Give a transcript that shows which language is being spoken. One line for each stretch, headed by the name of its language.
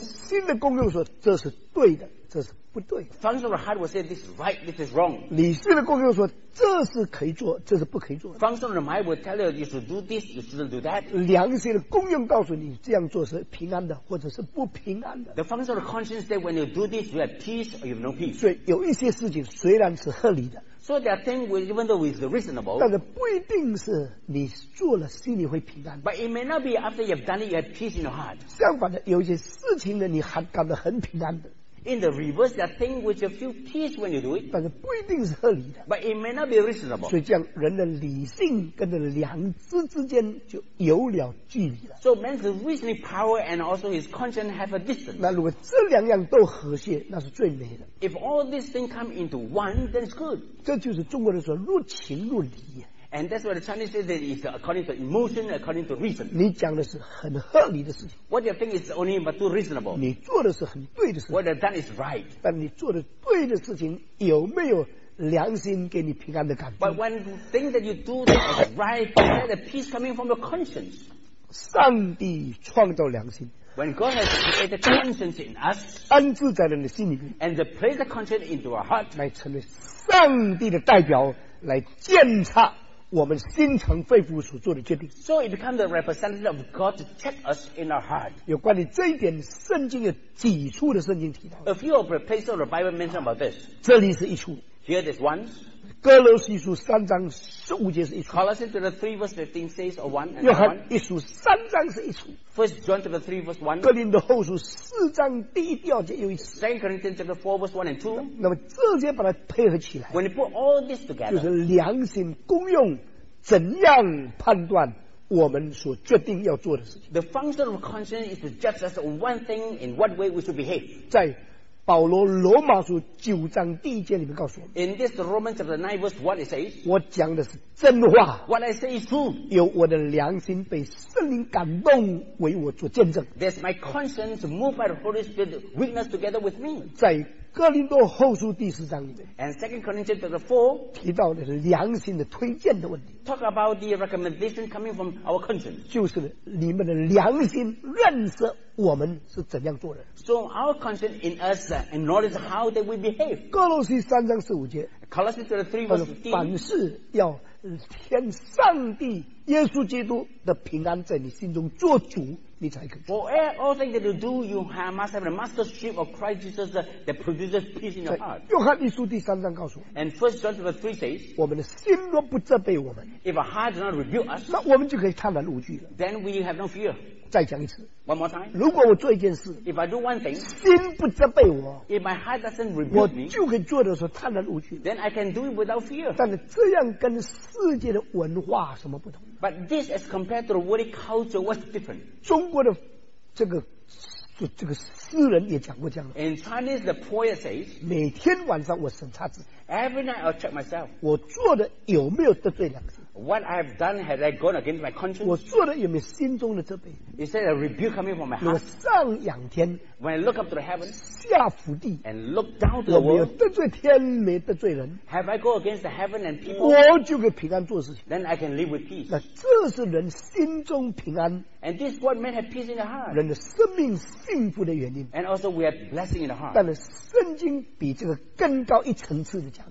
Chinese: 心的功用说这是对的，这是不对的。
English: Function of heart will say this is right, this is wrong.
Chinese: 理性的功用说这是可以做，这是不可以做的。
English: Function of the mind will tell you you should do this, you shouldn't do that.
Chinese: 良心的功用告诉你这样做是平安的，或者是不平安的。
English: The function of conscience say when you do this, you have peace or you have no peace.
Chinese: 所以有一些事情虽然是合理的。
English: So there are things which, even though it's reasonable,
Chinese: 但是不一定是你做了心里会平安。
English: But it may not be after you've done it, you have peace in your heart.
Chinese: 相反的，有些事情呢，你还感到很平安的。
English: In the reverse, there are things which you feel peace when you do it.
Chinese: 但是不一定是合理的。
English: But it may not be reasonable.
Chinese: 所以这样，人的理性跟着良知之间就有了距离了。
English: So man's reasoning power and also his conscience have a distance.
Chinese: 那如果这两样都和谐，那是最美的。
English: If all these things come into one, then it's good.
Chinese: 这就是中国人说入情入理。
English: And that's what the Chinese say that it's according to emotion, according to reason.
Chinese: 你讲的是很合理的事情。
English: What you think is only but too reasonable.
Chinese: 你做的是很对的事情。
English: What you've done is right.
Chinese: 但你做的对的事情有没有良心给你平安的感觉
English: ？But when you think that you do that is right, is that the peace coming from your conscience?
Chinese: 上帝创造良心。
English: When God has created conscience in us,
Chinese: 安置在了你心里面
English: ，and place the conscience into our heart,
Chinese: 来成为上帝的代表来鉴察。我们心诚肺腑所做的决定
English: So it becomes the representative of God to check us in our heart
Chinese: 有关于这一点圣经有几处的圣经提到
English: A few of the places of the Bible mention about this
Chinese: 这里是一处
English: Here there's one
Chinese: 哥罗西书三章十五节是一处
English: Colossians 3 verse 15 says or one
Chinese: 约翰一书三章是一处
English: First John 3 verse 1
Chinese: 哥林的后书四章第一第二节有一处
English: Second Corinthians 4 verse 1 and 2
Chinese: 那么这些把它配合起来
English: When you put all this together
Chinese: 就是良心功用怎样判断我们所决定要做的事情
English: The function of conscience is to judge us on one thing in what way we should behave
Chinese: 在保罗罗马书九章第一节里面告诉我们
English: In this Romans chapter 9 verse 1 it says
Chinese: 我讲的是真话
English: What I say is true
Chinese: 有我的良心被圣灵感动为我做见证
English: There's my conscience moved by the Holy Spirit witness together with me
Chinese: 在哥林多后书第四章里面
English: And 2 Corinthians chapter 4
Chinese: 提到的是良心的推荐的问题
English: Talk about the recommendation coming from our conscience
Chinese: 就是你们的良心认识我们是怎样做人
English: So our conscience in us acknowledge how that we behave
Chinese: 哥罗西三章十五节
English: Colossians chapter 3 verse 15
Chinese: 凡事要天上帝耶稣基督的平安在你心中做主你才可以
English: For all things that you do you have, must have the mastership of Christ Jesus that produces peace in your heart
Chinese: 约翰一书第三章告诉我
English: And 1 John 3 says
Chinese: 我们的心若不责备我们
English: If our heart does not rebuke us
Chinese: 那我们就可以坦然无惧了
English: Then we have no fear
Chinese: 再讲一次
English: One more time
Chinese: 如果我做一件事
English: If I do one thing
Chinese: 心不责备我
English: If my heart doesn't rebuke me
Chinese: 我就可以做的时候坦然无惧
English: Then I can do it without fear
Chinese: 但是这样跟世界的文化什么不同
English: But this as compared to the world culture what's different
Chinese: 中国的这个诗人也讲过这样的
English: In Chinese the poet says
Chinese: 每天晚上我审查自己
English: Every night I'll check myself
Chinese: 我做的有没有得罪良心
English: What I have done has I gone against my conscience
Chinese: 我做的有没有心中的责备
English: Is there a rebuke coming from my heart
Chinese: 我上仰天
English: When I look up to the heaven
Chinese: 下俯地
English: And look down to the world
Chinese: 我没有得罪天没得罪人
English: Have I go against the heaven and people
Chinese: 我就可以平安做事情
English: Then I can live with peace
Chinese: 那这是人心中平安
English: And this is what men have peace in their heart
Chinese: 人的生命幸福的原因
English: And also we have blessing in the heart
Chinese: 但是圣经比这个更高一层次的讲